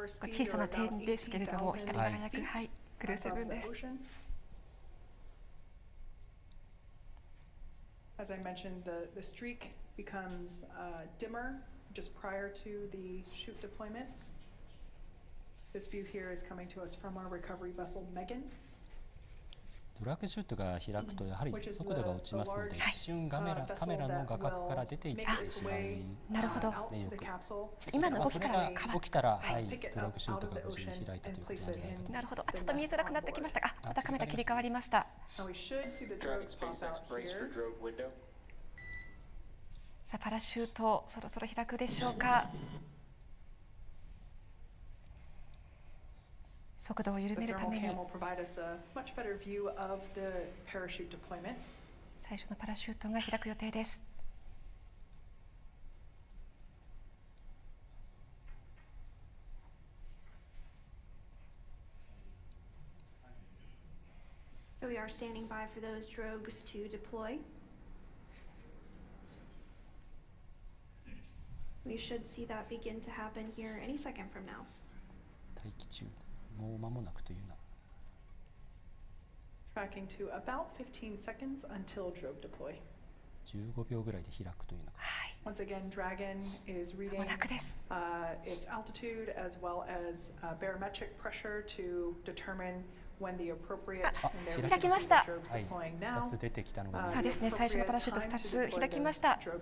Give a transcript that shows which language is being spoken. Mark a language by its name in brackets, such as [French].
[Japanese] 小さな点ですけれども光り輝く、はい、Crew 7です。 [English] As I mentioned, the streak becomes dimmer just prior to the shoot deployment. This view here is coming to us from our recovery vessel Megan. [Japanese] ドラッグシュートが開くとやはり速度が落ちますので、一瞬カメラの画角から出ていってしまう。なるほど。ちょっと今の動きから変わった。起きたら、はい、ドラッグシュートが無事に開いたということになるんじゃないかと。なるほど。あ、ちょっと見えづらくなってきましたが、またカメラ切り替わりました。さあ、パラシュートそろそろ開くでしょうか。速度を緩めるために最初のパラシュートが開く予定です。 [English] So we are standing by for those drogues to deploy. We should see that begin to happen here any second from now. [Japanese] 待機中。もう間もなくというな。 [English] Tracking to about 15 seconds until drogue deploy. [Japanese] 15秒ぐらいで開くというな。はい。 [English] Once again, Dragon is reading its altitude as well as barometric pressure to determine when the appropriate. [Japanese] あ、開きました。はい。二つ出てきたのが。そうですね。最初のパラシュート二つ開きました。